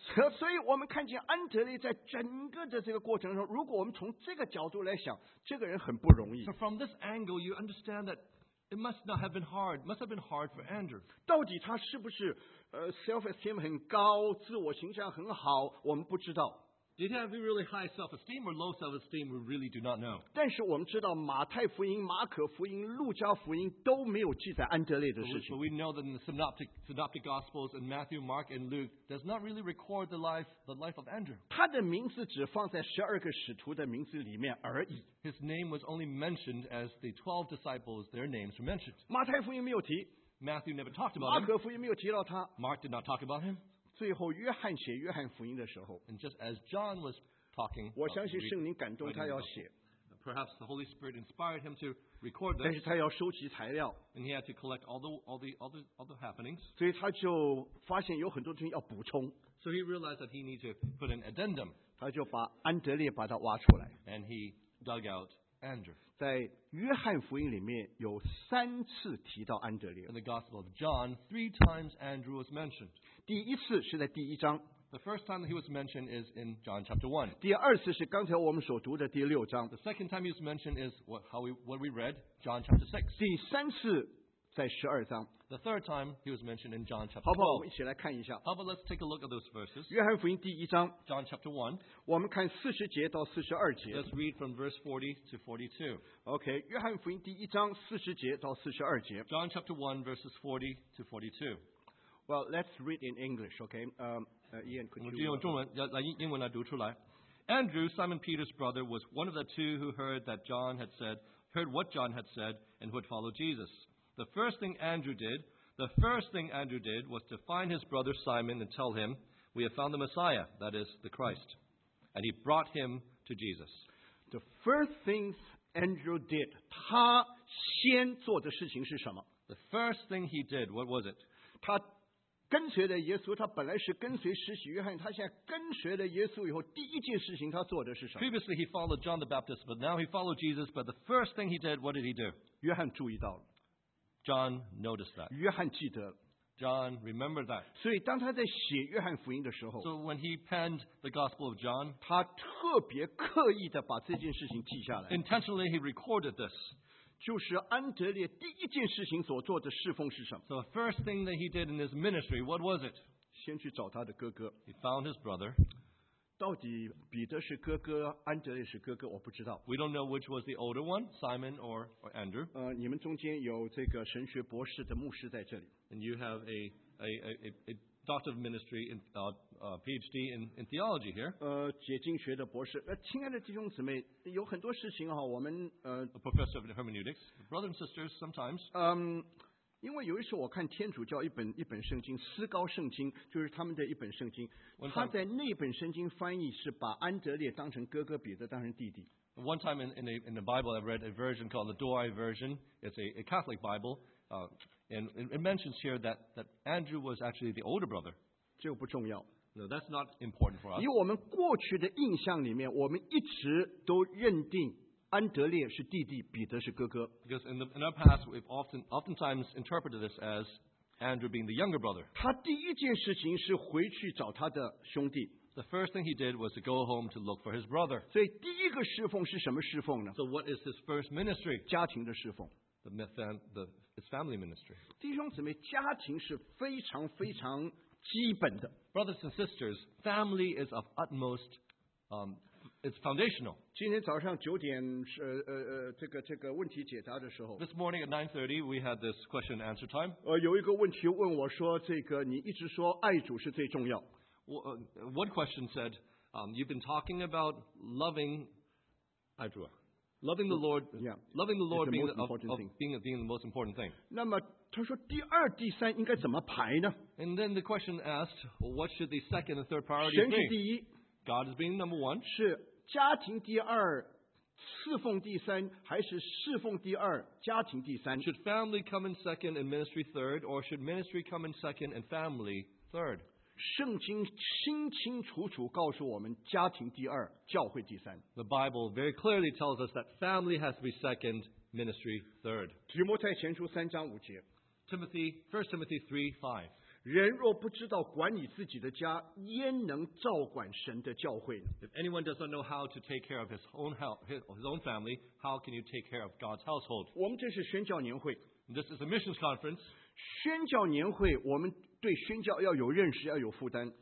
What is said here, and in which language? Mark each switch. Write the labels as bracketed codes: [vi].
[zh] 所以我们看见安德烈在整个的这个过程中，如果我们从这个角度来想，这个人很不容易。 [en] So from this angle, you understand that it must not have been hard. Must have been hard for Andrew. [zh] 到底他是不是？ self-esteem 很高，自我形象很好，我们不知道。 [en] Did he have really high self-esteem or low self-esteem? We really do not know. [zh] 但是我们知道，马太福音、马可福音、路加福音都没有记载安德烈的事情。 [en] But we know that in the synoptic gospels in Matthew, Mark, and Luke does not really record the life of Andrew. [zh] 他的名字只放在十二个使徒的名字里面而已。 [en] His name was only mentioned as the 12 disciples. Their names were mentioned. [zh] 马太福音没有提。 [en] Matthew never talked about him. [zh] 马可福音没有提到他。 [en] Mark did not talk about him. [zh] 最后，约翰写约翰福音的时候 [en] ，and just as John was talking, [zh] 我相信圣灵感动他要写。 [en] Perhaps the Holy Spirit inspired him to record this. [zh] 但是他要收集材料 [en] ，and he had to collect all the happenings. [zh] 所以他就发现有很多东西要补充。 [en] So he realized that he needed to put an addendum. [zh] 他就把安德烈把他挖出来 [en] ，and he dug out. Andrew. [zh] 在约翰福音里面有三次提到安德烈。 [en] In the Gospel of John, three times Andrew was mentioned. [zh] 第一次是在第一章。 [en] The first time that he was mentioned is in John chapter 1. [zh] 第二次是刚才我们所读的第六章。 [en] The second time he was mentioned is what we read, John chapter 6. [zh] 第三次在十二章。 [en] The third time he was mentioned in John chapter 12. [zh] 好不好，我们一起来看一下。 [en] How about let's take a look at those verses. [zh] 约翰福音第一章。 [en] John chapter 1. [zh] 我们看四十节到四十二节。 [en] Let's read from verse 40 to 42. [zh] Okay, 约翰福音第一章四十节到四十二节。 [en] John chapter 1, verses 40 to 42. Well, let's read in English, okay? Ian, could you... [zh] 我们用中文，来英文来读出来。 [en] Andrew, Simon Peter's brother, was one of the two who heard what John had said and who had followed Jesus. The first thing Andrew did was to find his brother Simon and tell him, we have found the Messiah, that is, the Christ. And he brought him to Jesus. The first thing Andrew did, [zh] 他先做的事情是什么? [en] The first thing he did, what was it? [zh] 他跟随了耶稣，他本来是跟随施洗约翰，他现在跟随了耶稣以后，第一件事情他做的是什么? [en] Previously he followed John the Baptist, but now he followed Jesus, but the first thing he did, what did he do? [zh] 约翰注意到了。 [en] John noticed that. [zh] 约翰记得。 [en] John remembered that. [zh] 所以当他在写约翰福音的时候 [en] ，So when he penned the Gospel of John, [zh] 他特别刻意的把这件事情记下来。 [en] Intentionally he recorded this. [zh] 就是安德烈第一件事情所做的侍奉是什么 [en] ？So the first thing that he did in his ministry, what was it? [zh] 先去找他的哥哥。 [en] He found his brother. [zh] 到底彼得是哥哥，安德烈是哥哥，我不知道。 [en] We don't know which was the older one, Simon or Andrew. [zh] 你们中间有这个神学博士的牧师在这里。 [en] And you have a doctor of ministry in PhD in theology here. [zh] 解经学的博士。亲爱的弟兄姊妹，有很多事情哈，我们 [en] A professor of hermeneutics, brothers and sisters, sometimes. [zh] 因为有一次我看天主教一本圣经，思高圣经，就是他们的一本圣经。他在那本圣经翻译是把安德烈当成哥哥，彼得当成弟弟。 [en] One time in the Bible, I read a version called the Douay version. It's a Catholic Bible, and it mentions here that Andrew was actually the older brother. [zh] 这不重要。 [en] No, that's not important for us. [zh] 以我们过去的印象里面，我们一直都认定。安德烈是弟弟，彼得是哥哥。 [en] Because in our past, we've oftentimes interpreted this as Andrew being the younger brother. [zh] 他第一件事情是回去找他的兄弟。 [en] The first thing he did was to go home to look for his brother. [zh] 所以第一个侍奉是什么侍奉呢？ [en] So what is his first ministry? [zh] 家庭的侍奉。 [en] It's family ministry. [zh] 弟兄姊妹，家庭是非常非常基本的。 [en] Brothers and sisters, family is of utmost, it's foundational. [zh] 今天早上九点是这个问题解答的时候。 [en] This morning at 9:30, we had this question and answer time. [zh] 有一个问题问我说，这个你一直说爱主是最重要。 [en] One question said, you've been talking about loving, loving the Lord, loving the Lord being the most important thing. [zh] 那么他说第二、第三应该怎么排呢？ [en] And then the question asked, well, what should the second and third priority be? [zh] 神是第一。 [en] God is being number one. [zh] 是家庭第二，侍奉第三，还是侍奉第二，家庭第三？ [en] Should family come in second and ministry third, or should ministry come in second and family third? [zh] 圣经清清楚楚告诉我们，家庭第二，教会第三。 [en] The Bible very clearly tells us that family has to be second, ministry third. [zh] 提摩太前书三章五节。 [en] Timothy, 1 Timothy 3:5. [zh] 人若不知道管理自己的家，焉能照管神的教会呢？ [en] If anyone does not know how to take care of his own family, how can you take care of God's household? [zh] 我们这是宣教年会。 [en] This is a missions conference. [zh] 宣教年会，我们对宣教要有认识，要有负担。